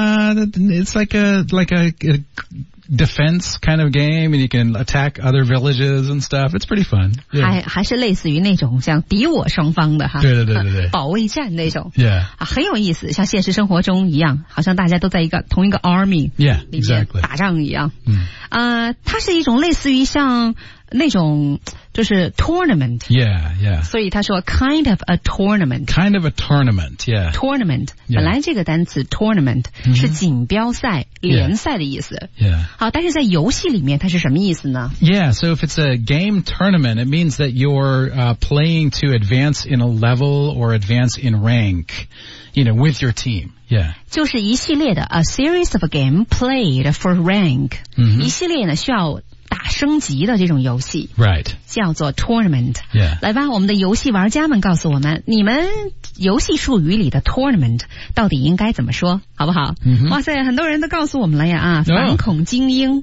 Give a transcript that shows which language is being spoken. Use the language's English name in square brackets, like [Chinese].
[English] It's like a defense kind of game, and you can attack other villages and stuff. It's pretty fun.、Yeah. [Chinese] 还是类似于那种像敌我双方的哈，对，保卫战那种。 [English] Yeah，、 [Chinese] 啊、很有意思，像现实生活中一样，好像大家都在同一个 army， [English] yeah， exactly， [Chinese] 打仗一样。嗯，它是一种类似于像那种就是 tournament， [English] yeah， yeah， [Chinese] 所以他说 [English] kind of a tournament， kind of a tournament， yeah， tournament， yeah. [Chinese] 本来这个单词 tournament、mm-hmm. 是锦标赛、联赛的意思， [English] yeah. yeah， [Chinese] 好，但是在游戏里面它是什么意思呢？ [English] Yeah， so if it's a game tournament， it means that you're、playing to advance in a level or advance in rank， you know， with your team， yeah， [Chinese] 就是一系列的 [English] a series of a game played for rank，、 mm-hmm. [Chinese] 一系列呢需要打升级的这种游戏 [English] ，right， [Chinese] 叫做 tournament。 [English] Yeah. [Chinese] 来吧，我们的游戏玩家们告诉我们，你们游戏术语里的 tournament 到底应该怎么说，好不好？ Mm-hmm. 哇塞，很多人都告诉我们了呀啊，反恐精英、